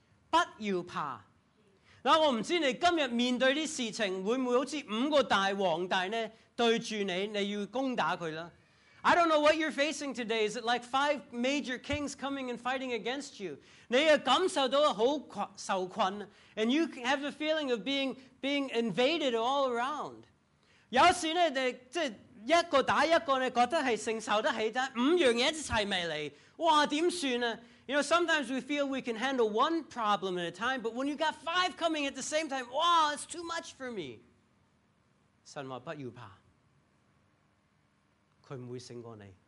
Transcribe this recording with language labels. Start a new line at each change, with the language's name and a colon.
Chinese: 不要怕。嗱，我唔知你今日面对啲事情会唔会好似五个大皇帝咧对住你，你要攻打佢啦。
English: I don't know what you're facing today. Is it like five major kings coming and fighting against you?
Chinese: 你感受到很受困,
English: and you have the feeling of being invaded all around.
Chinese: 有时呢,一个打一个,觉得是承受得起,五样东西一起没来,哇,怎么办呢?
English: You know, sometimes we feel we can handle one problem at a time, but when you got five coming at the same time, wow, it's too much for me.
Chinese: 神话不要怕, 他不会胜过你。